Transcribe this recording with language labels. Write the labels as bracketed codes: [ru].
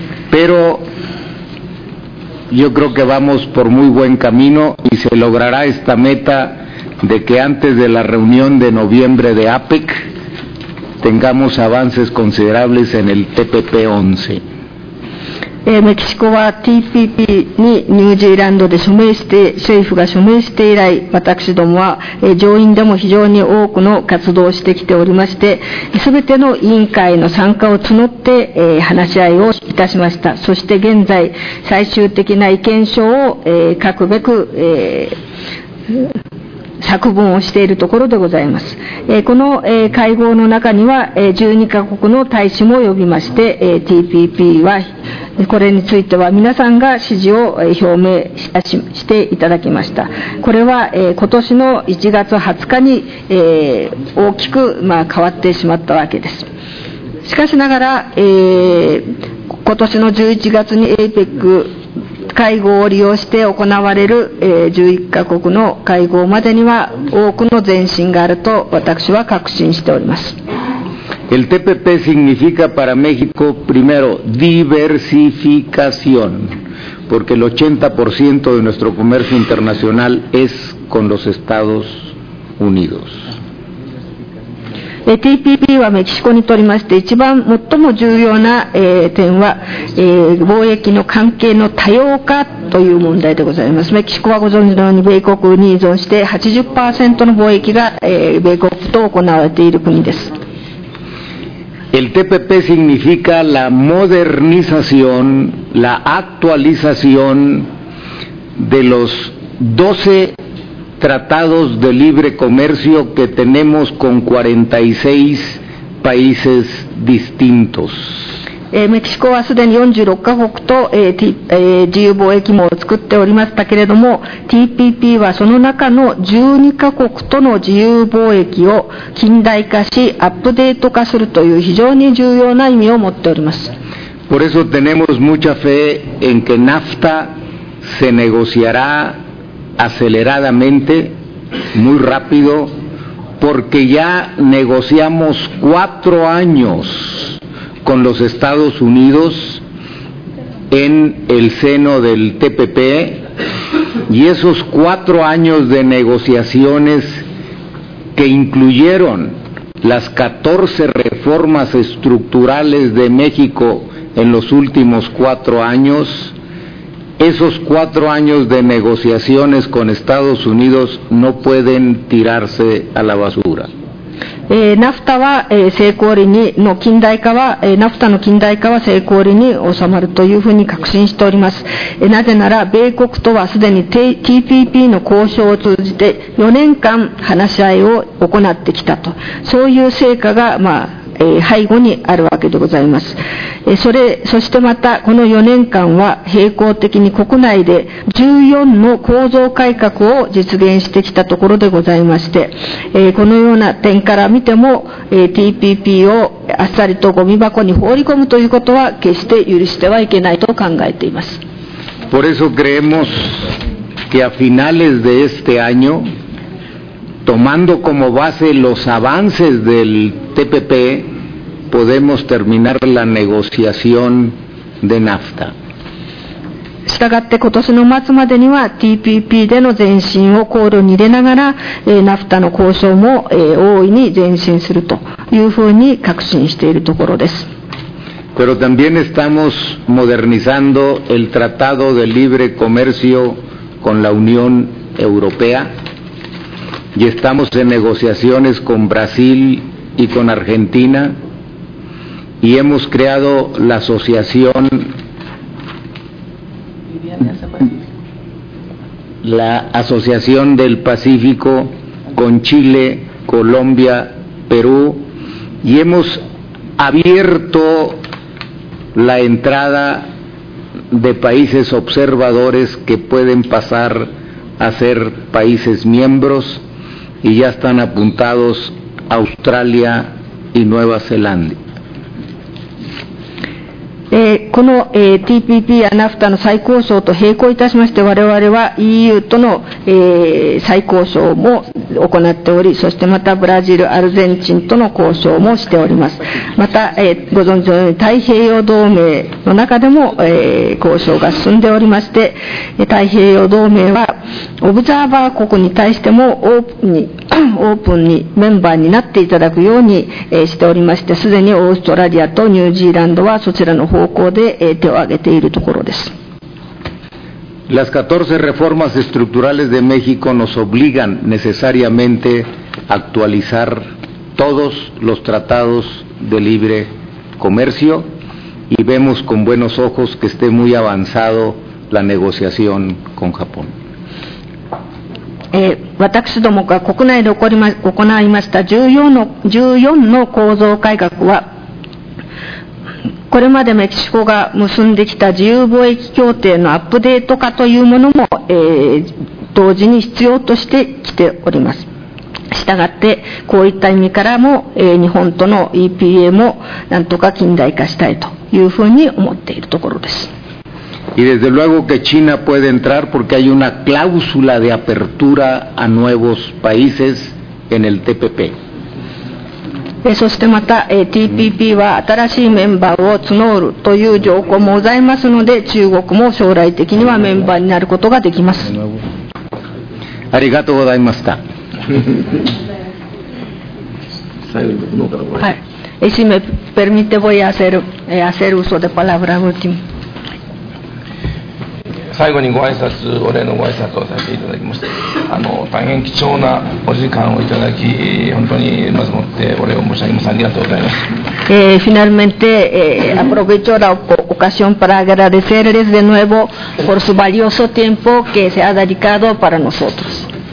[es] Pero yo creo que vamos por muy buen camino y se logrará esta meta de que antes de la reunión de noviembre de APEC,tengamos avances considerables en el TPP-11. [ja] メキシコは TPP にニュージーランドで署名して、政府が署名して以来、私どもは上院でも非常に多くの活動をしてきておりまして、すべての委員会の参加を募って、話し合いをいたしました。そして現在、最終的な意見書を、書くべく、作文をしているところでございます。この会合の中には12カ国の大使も呼びまして TPP はこれについては皆さんが支持を表明していただきました。これは今年の1月20日に大きく変わってしまったわけです。しかしながら今年の11月に APEC 会合を利用して行われる11カ国の会合までには多くの前進があると私は確信しております。 [es] El TPP significa para México, primero, diversificación, porque el 80% de nuestro comercio internacional es con los Estados Unidos. [ja] TPP はメキシコにとりまして一番最も重要な点は貿易の関係の多様化という問題でございます。メキシコはご存知のように米国に依存して80%の貿易が米国と行われている国です。 [es] El TPP significa la modernización, la actualización de los 12 tratados de libre comercio que tenemos con 46 países distintos. [ja] メキシコはすでに46カ国と、自由貿易網を作っておりましたけれども、TPP はその中の12カ国との自由貿易を近代化し、アップデート化するという非常に重要な意味を持っております。 [es] Por eso tenemos mucha fe en que NAFTA se negociará aceleradamente, muy rápido, porque ya negociamos 4 años. Con los Estados Unidos en el seno del TPP y esos 4 años de negociaciones que incluyeron las 14 reformas estructurales de México en los últimos 4 años, esos 4 años de negociaciones con Estados Unidos no pueden tirarse a la basura. [ja] NAFTA は成功裏にの近代化は、NAFTA の近代化は成功裏に収まるというふうに確信しております。なぜなら米国とはすでに TPP の交渉を通じて4年間話し合いを行ってきたと。そういう成果が、背後にあるわけでございます。そしてまたこの4年間は並行的に国内で14の構造改革を実現してきたところでございまして、このような点から見ても、TPP をあっさりとゴミ箱に放り込むということは決して許してはいけないと考えています。 [es] Por eso creemos que a finales de este año, tomando como base los avances del TPP,podemos terminar la negociación de NAFTA. [ja] したがって今年の末までには TPP での前進を考慮に入れながら、NAFTA の交渉も、大いに前進するというふうに確信しているところです。 [es] Pero también estamos modernizando el Tratado de Libre Comercio con la Unión Europea y estamos en negociaciones con Brasil y con Argentina. Y hemos creado la asociación, del Pacífico con Chile, Colombia, Perú, y hemos abierto la entrada de países observadores que pueden pasar a ser países miembros, y ya están apuntados Australia y Nueva Zelanda. [ja] この、TPP や NAFTA の再交渉と並行いたしまして我々は EU との、再交渉も行っており、そしてまたブラジル、アルゼンチンとの交渉もしております。また、ご存知のように太平洋同盟の中でも、交渉が進んでおりまして、太平洋同盟はオブザーバー国に対してもオープンにメンバーになっていただくように、しておりまして、すでにオーストラリアとニュージーランドはそちらの方向で、手を挙げているところです。 [es] Las 14 reformas estructurales de México nos obligan necesariamente a actualizar todos los tratados de libre comercio y vemos con buenos ojos que esté muy avanzado la negociación con Japón. [ja] 私どもが国内で行いました14の構造改革は、これまでメキシコが結んできた自由貿易協定のアップデート化というものも、同時に必要としてきております。したがってこういった意味からも、日本との EPA もなんとか近代化したいというふうに思っているところです。 [es] Y desde luego que China puede entrar porque hay una cláusula de apertura a nuevos países en el TPP. [ja] そしてまた、TPP は新しいメンバーを募るという条項もございますので、中国も将来的にはメンバーになることができます。ありがとうございました。はい。 [es] Si me permite voy a hacer, hacer uso de palabra último. [ja] 最後にご挨拶、お礼のご挨拶をさせていただきました。大変貴重なお時間をいただき、本当にまずもってお礼を申し上げます。ありがとうございます。 [es] Finalmente, aprovecho la ocasión para agradecerles de nuevo por su valioso tiempo que se ha dedicado para nosotros.